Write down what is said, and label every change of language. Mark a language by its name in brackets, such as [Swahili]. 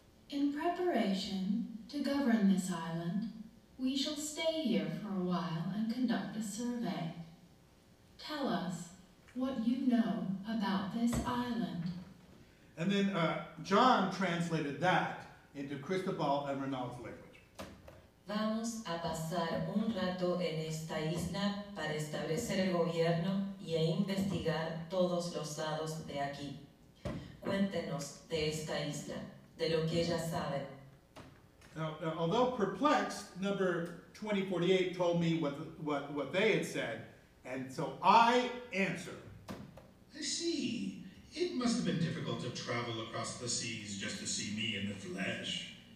[English] in preparation to govern this island, we shall stay here for a while and conduct a survey. Tell us what you know about this island. And then John translated that into Cristobal and Ronald's language. [Spanish] Vamos a pasar un rato en esta isla para establecer el gobierno y a investigar todos los lados de aquí. Cuéntenos de esta isla, de lo que ella sabe. [English] Now, although perplexed, number 2048 told me what they had said, and so I answer. I see. It must have been difficult to travel across the seas just to see me in the flesh.